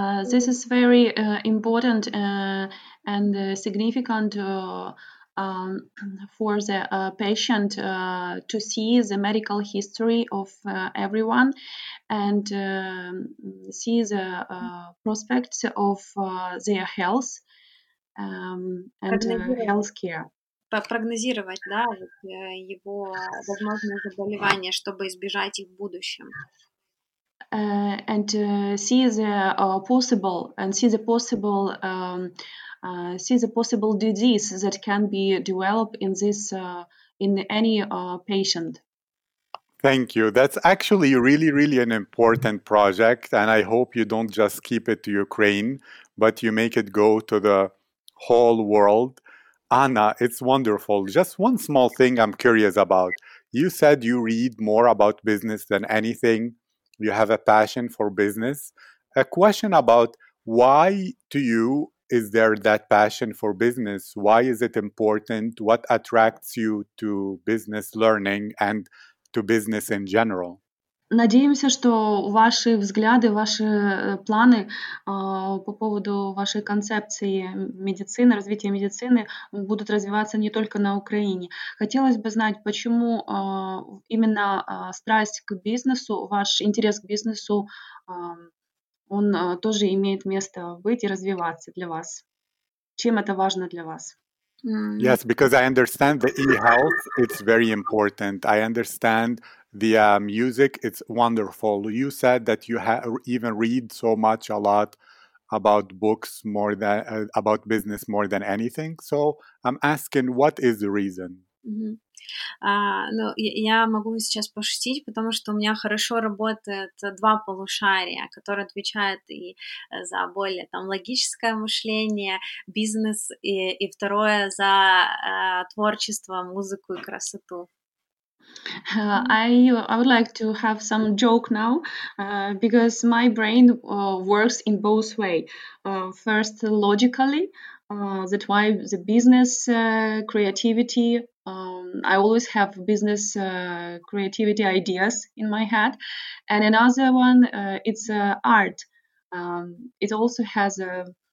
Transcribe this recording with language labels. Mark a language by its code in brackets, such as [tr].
[en] This is very important and significant for the patient to see the medical history of everyone and see the prospects of their health and healthcare. [ru] Прогнозировать, да, его возможные заболевания, чтобы избежать их в будущем. [en] And see the possible and see the possible see the possible disease that can be developed in this in any patient. Thank you. That's actually really, really an important project, and I hope you don't just keep it to Ukraine, but you make it go to the whole world. Anna, it's wonderful. Just one small thing I'm curious about. You said you read more about business than anything. You have a passion for business. A question about why do you is there that passion for business? Why is it important? What attracts you to business learning and to business in general? [ru] Надеемся, что ваши взгляды, ваши планы по поводу вашей концепции медицины, развития медицины будут развиваться не только на Украине. Хотелось бы знать, почему именно страсть к бизнесу, ваш интерес к бизнесу, он тоже имеет место быть и развиваться для вас. Чем это важно для вас? [en] Yes, because I understand the e-health, it's very important. I understand the music, it's wonderful. You said that you even read so much, a lot about books more than about business more than anything. So I'm asking, what is the reason? [ru] Ну, я могу сейчас пошутить, потому что у меня хорошо работают два полушария, которые отвечают и за более там логическое мышление, бизнес, и второе за творчество, музыку и красоту. [en] I would like to have some joke now, because my brain works in both way. First, logically, that why the business creativity. I always have business creativity ideas in my head, and another one it's art. It also has a